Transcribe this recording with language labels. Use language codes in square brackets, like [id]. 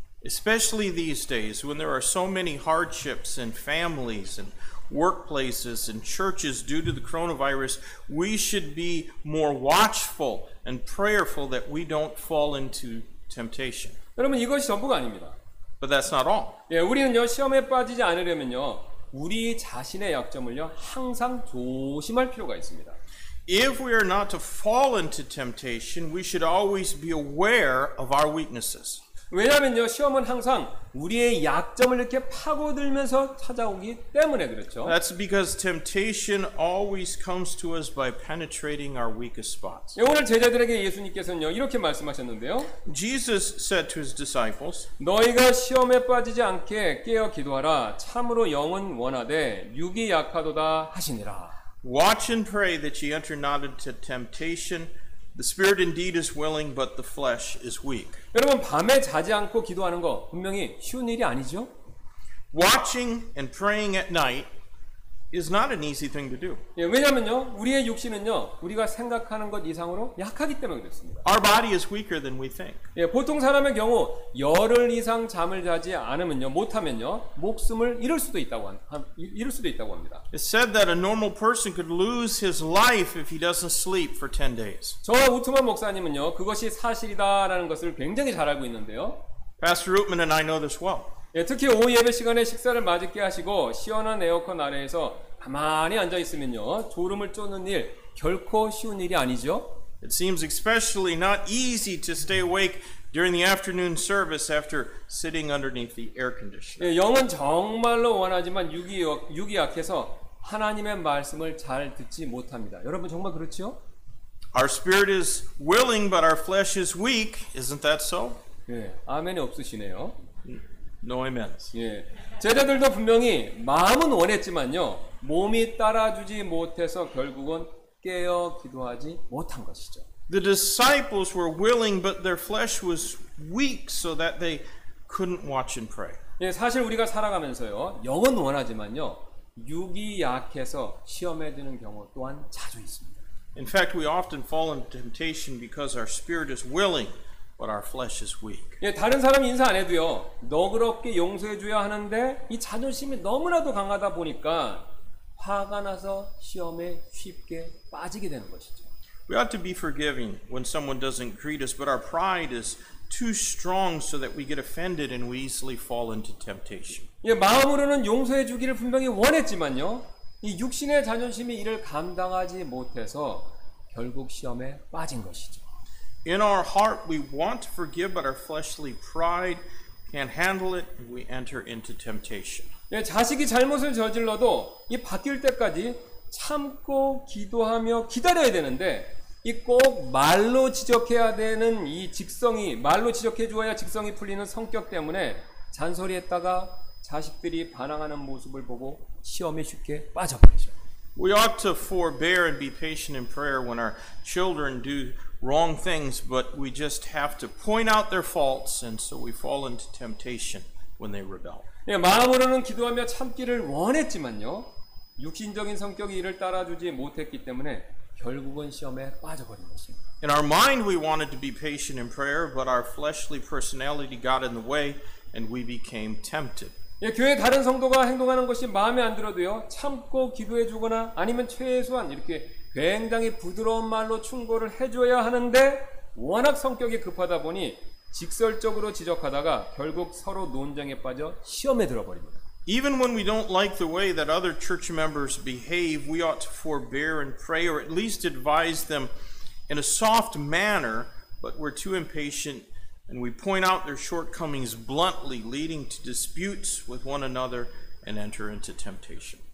[en] Especially these days when there are so many hardships in families and workplaces and churches due to the coronavirus, we should be more watchful and prayerful that we don't fall into temptation. [ko] 여러분 이것이 전부가 아닙니다. [en] But that's not all. [ko] 예, 우리는요 시험에 빠지지 않으려면요 우리 자신의 약점을요 항상 조심할 필요가 있습니다. [en] If we are not to fall into temptation, we should always be aware of our weaknesses. [ko] 왜냐면요 시험은 항상 우리의 약점을 이렇게 파고들면서 찾아오기 때문에 그렇죠. [en] That's because temptation always comes to us by penetrating our weakest spots. [ko] 예, 오늘 제자들에게 예수님께서는요 이렇게 말씀하셨는데요. [en] Jesus said to his disciples, [ko] 너희가 시험에 빠지지 않게 깨어 기도하라. 참으로 영은 원하되 육이 약하도다 하시니라. [en] Watch and pray that ye enter not into temptation. The spirit indeed is willing, but the flesh is weak. [ko] 여러분 밤에 자지 않고 기도하는 거 분명히 쉬운 일이 아니죠? [en] Watching and praying at night is not an easy thing to do. [ko] 예, 왜냐면요. 우리의 육신은요. 우리가 생각하는 것 이상으로 약하기 때문에 그렇습니다. [en] Our body is weaker than we think. [ko] 예, 보통 사람의 경우 열흘 이상 잠을 자지 않으면요. 못 하면요. 목숨을 잃을 수도 있다고 합니다. [en] It's said that a normal person could lose his life if he doesn't sleep for 10 days. [ko] 저와 우트만 목사님은요. 그것이 사실이다라는 것을 굉장히 잘 알고 있는데요. [en] Pastor Rootman and I know this well. [ko] 예, 특히 오후 예배 시간에 식사를 맛있게 하시고 시원한 에어컨 아래에서 가만히 앉아 있으면요 졸음을 쫓는 일 결코 쉬운 일이 아니죠. [en] It seems especially not easy to stay awake during the afternoon service after sitting underneath the air conditioner. [ko] 예, 영은 정말로 원하지만 육이 약해서 하나님의 말씀을 잘 듣지 못합니다. 여러분 정말 그렇지요? [en] Our spirit is willing, but our flesh is weak. Isn't that so? [ko] 예, 아멘이 없으시네요. [en] No amens. [ko] 예, 제자들도 분명히 마음은 원했지만요 몸이 따라주지 못해서 결국은 깨어 기도하지 못한 것이죠. [en] The disciples were willing, but their flesh was weak, so that they couldn't watch and pray. [ko] 예, 사실 우리가 살아가면서요 영은 원하지만요 육이 약해서 시험에 드는 경우 또한 자주 있습니다. [en] In fact, we often fall into temptation because our spirit is willing. But our flesh is weak. [ko] 예, 다른 사람 인사 안 해도요. 너그럽게 용서해줘야 하는데 이 자존심이 너무나도 강하다 보니까 화가 나서 시험에 쉽게 빠지게 되는 것이죠. [en] We ought to be forgiving when someone doesn't greet us, but our pride is too strong so that we get offended and we easily fall into temptation. [ko] 예, 마음으로는 용서해주기를 분명히 원했지만요. 이 육신의 자존심이 이를 감당하지 못해서 결국 시험에 빠진 것이죠. [en] In our heart, we want to forgive, but our fleshly pride can't handle it, and we enter into temptation. [ko] 예, 자식이 잘못을 저질러도 이 바뀔 때까지 참고 기도하며 기다려야 되는데 이 꼭 말로 지적해야 되는 이 직성이 말로 지적해 주어야 직성이 풀리는 성격 때문에 잔소리했다가 자식들이 반항하는 모습을 보고 시험에 쉽게 빠져버리죠. [en] We ought to forbear and be patient in prayer when our children do wrong things, but we just have to point out their faults, and so we fall into temptation when they rebel. [ko] 예, 마음으로는 기도하며 참기를 원했지만요, 육신적인 성격이 이를 따라주지 못했기 때문에 결국은 시험에 빠져버린 것입니다. [en] In our mind, we wanted to be patient in prayer, but our fleshly personality got in the way, and we became tempted. [ko] 예, 교회 다른 성도가 행동하는 것이 마음에 안 들어도요, 참고 기도해주거나 아니면 최소한 이렇게 굉장히 부드러운 말로 충고를 해줘야 하는데 워낙 성격이 급하다 보니 직설적으로 지적하다가 결국 서로 논쟁에 빠져 시험에 들어버립니다. [en] Even when we don't like the way that other church members behave, we ought to forbear and pray or at least advise them in a soft manner, but we're too impatient and we point out their shortcomings bluntly, leading to disputes with one another and enter into temptation.